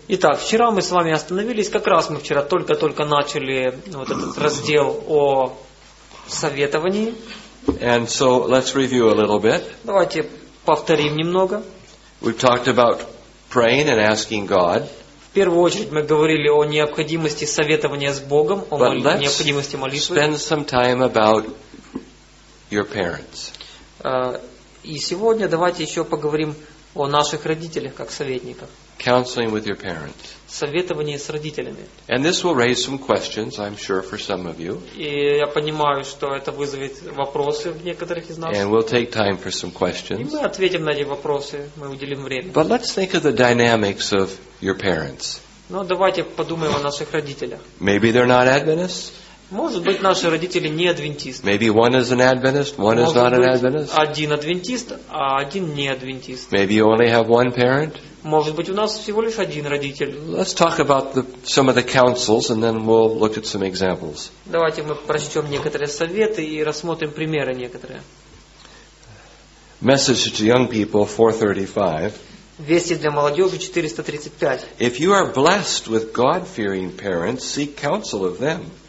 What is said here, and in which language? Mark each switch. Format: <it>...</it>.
<ru>Итак, вчера мы с вами остановились, как раз мы вчера только-только начали вот этот раздел о советовании.</ru> <en>And so let's review a little bit.</en> <ru>Давайте повторим немного.</ru> <en>We've talked about praying and asking God.</en> <ru>В первую очередь мы говорили о необходимости советования с Богом, о необходимости молитвы.</ru> <en>But let's spend some time about your parents.</en> <ru>И сегодня давайте еще поговорим о наших родителях как советниках.</ru> <en>Counseling with your parents.</en> <ru>Советование с родителями.</ru> <en>And this will raise some questions, I'm sure, for some of you.</en> <ru>И я понимаю, что это вызовет вопросы в некоторых из нас.</ru> <en>And we'll take time for some questions.</en> <ru>И мы ответим на эти вопросы, мы уделим время.</ru> <en>But let's think of the dynamics of your parents.</en> <ru>Но давайте подумаем о наших родителях.</ru> <en>Maybe they're not Adventists.</en> <ru>Может быть, наши родители не адвентисты.</ru> <en>Maybe one is an Adventist, one is not an Adventist.</en> <ru>Один адвентист, а один не адвентист.</ru> <en>Maybe you only have one parent.</en> <ru>Может быть, у нас всего лишь один родитель.</ru> <en>Let's talk about some of the counsels, and then we'll look at some examples.</en> <ru>Давайте мы прочтем некоторые советы и рассмотрим примеры некоторые.</ru> <en>Message to young people, 435.</en> <ru>Вести для молодежи, 435.</ru> <en>If you are blessed with God-fearing parents, seek counsel of them.</en>